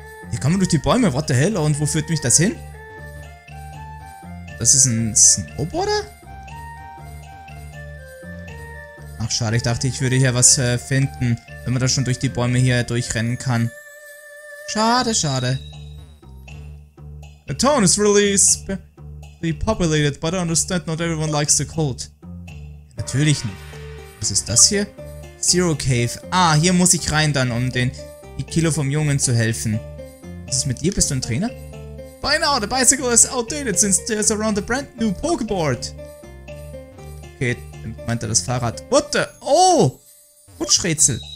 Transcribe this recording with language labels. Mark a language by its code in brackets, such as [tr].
[de] Hier kann man durch die Bäume, [en] what the hell, [de] und wo führt mich das hin? Das ist ein Snowboarder? Ach schade, ich dachte, ich würde hier was finden, wenn man da schon durch die Bäume hier durchrennen kann. Schade, schade. [en] The town is really populated, but I understand not everyone likes the cold. [de] Natürlich nicht. Was ist das hier? Zero Cave. Ah, hier muss ich rein dann, um den Hikilo vom Jungen zu helfen. Was ist mit dir? Bist du ein Trainer? [en] By now, the bicycle is outdated since there's around a brand new Pokeboard. [de] Okay, damit meint er das Fahrrad. [en] What the? [de] Oh! Rutschrätsel.